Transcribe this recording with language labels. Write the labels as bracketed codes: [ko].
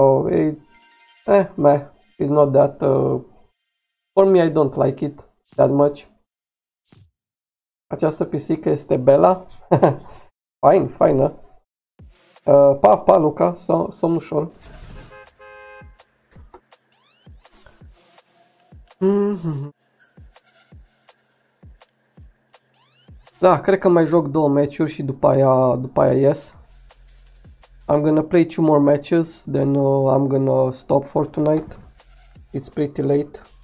[en] It's not that, for me I don't like it that much. [ro] Această pisică este Bella. Fain, faină. Pa, pa, Luca, somn ușor. Da, cred că mai joc două meciuri și după aia ies. [en] I'm gonna play two more matches, then I'm gonna stop for tonight. It's pretty late.